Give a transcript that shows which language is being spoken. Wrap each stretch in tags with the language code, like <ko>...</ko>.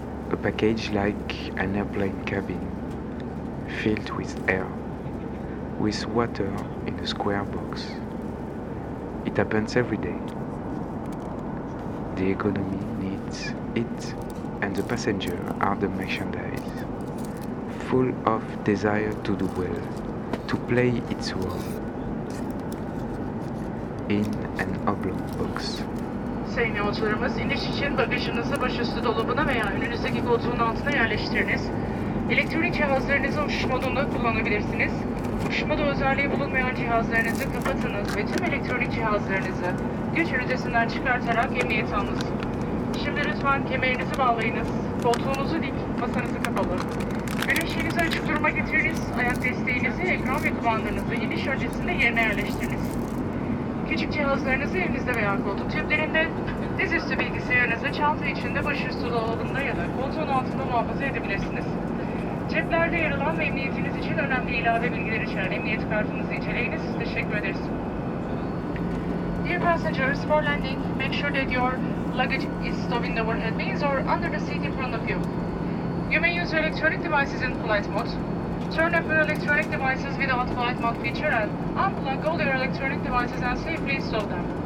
<en>A package like an airplane cabin, filled with air, with water in a square box. It happens every day. The economy needs it, and the passengers are the merchandise, full of desire to do well, to play its role. In an oblong box.</en> <tr>Sayın yolcularımız, iniş için bagajınızı başüstü dolabına veya önünüzdeki koltuğun altına yerleştiriniz. Elektronik cihazlarınızı uçuş modunda kullanabilirsiniz. Uçuş modu özelliği bulunmayan cihazlarınızı kapatınız ve tüm elektronik cihazlarınızı güç ünitesinden çıkartarak emniyet alınız. Şimdi lütfen kemerinizi bağlayınız, koltuğunuzu dik, masanızı kapalı. Güneşinizi açık duruma getiriniz, ayak desteğinizi, ekran ve kumandanızı iniş öncesinde yerine yerleştiriniz. Küçük cihazlarınızı evinizde veya koltuk tüplerinde, dizüstü bilgisayarınızı çanta içinde, başüstü dolabında ya da koltuğun altında muhafaza edebilirsiniz. Ceplerde yer alan ve emniyetiniz için önemli ilave bilgileri içeren emniyet kartınızı inceleyiniz. Teşekkür ederiz.</tr> <en>Dear passengers, for landing, make sure that your luggage is stowed in the overhead bins or under the seat in front of you. You may use your electronic devices in flight mode. Turn off your electronic devices without flight mode feature and unplug all your electronic devices and safely install them.</en>